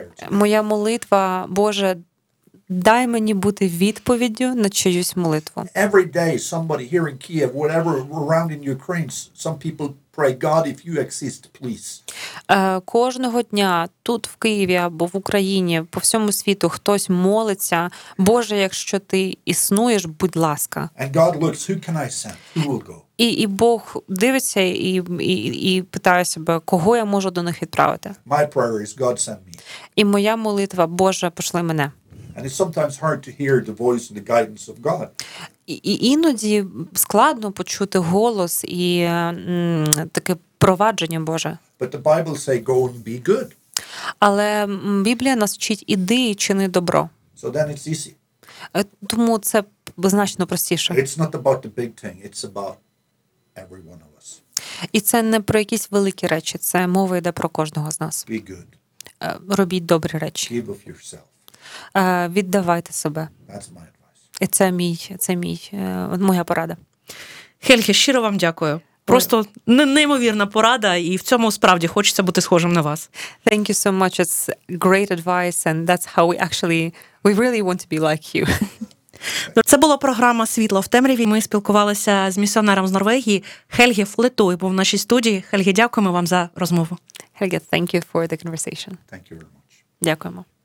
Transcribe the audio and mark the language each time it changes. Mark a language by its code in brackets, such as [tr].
[uk] Моя молитва «Боже, дай мені бути відповіддю на чиюсь молитву». [en] Every day somebody here in Kiev, whatever around in Ukraine, some people pray, God, if you exist, please. [uk] Кожного дня тут в Києві або в Україні, по всьому світу хтось молиться: "Боже, якщо ти існуєш, будь ласка". [en] And God looks, who can I send? Who will go? [uk] І Бог дивиться і питає себе, кого я можу до них відправити. [en] My prayer is, God send me. [uk] І моя молитва: "Боже, пошли мене". [en] And it's sometimes hard to hear the voice and the guidance of God. [uk] І іноді складно почути голос і таке провадження Боже. [en] But the Bible say, go and be good. [uk] Але Біблія нас вчить: іди і чини добро. [en] So then it's easy. [uk] Тому це значно простіше. [en] It's not about the big thing, it's about every one of us. [uk] І це не про якісь великі речі, це мова йде про кожного з нас. [en] Be good. [uk] Робіть добрі речі. [en] Give of yourself. [uk] Віддавайте себе. [en] That's my advice. [uk] І моя порада. Хельге, щиро вам дякую. Просто неймовірна порада, і в цьому справді хочеться бути схожим на вас. [en] Thank you so much. It's great advice, and that's how we really want to be like you. [uk] Це була програма «Світло в темряві». Ми спілкувалися з місіонером з Норвегії Хельге Флетой, був в нашій студії. Хельге, дякуємо вам за розмову. [en] Хельге, thank you for the conversation. Thank you very much. [uk] Дякуємо.